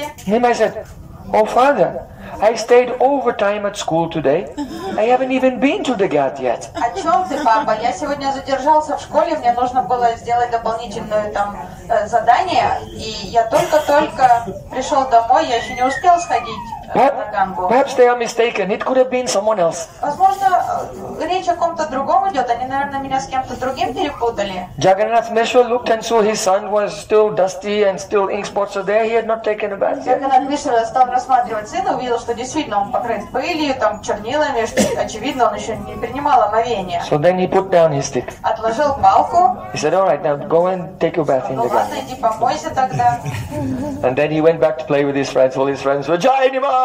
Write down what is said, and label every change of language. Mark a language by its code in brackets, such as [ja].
[en] Nimai said, oh father, I stayed overtime at school today. I haven't even been to the ghat yet. [ru] О чем ты, папа? Я сегодня задержался в школе. Мне нужно было сделать дополнительное там задание, и я только-только пришел домой. Я еще не успел сходить. [en] Perhaps they are mistaken. It could have been someone else. [ru] Возможно, речь о ком-то другом идет. Они, наверное, меня с кем-то другим перепутали. [en] Jagannath Mishra looked and saw his son was still dusty and still ink spots are there. He had not taken a bath. [ru] Jagannath Mishra стал рассматривать сына, увидел, что действительно он покрыт пылью, там чернилами, что очевидно, он еще не принимал омовение. [en] So then he put down his stick. [ru] Отложил палку. [en] He said, "All right, now go and take your bath in the garden." [ru] Ну ладно, иди помойся тогда. [en] And then he went back to play with his friends. All his friends were giant.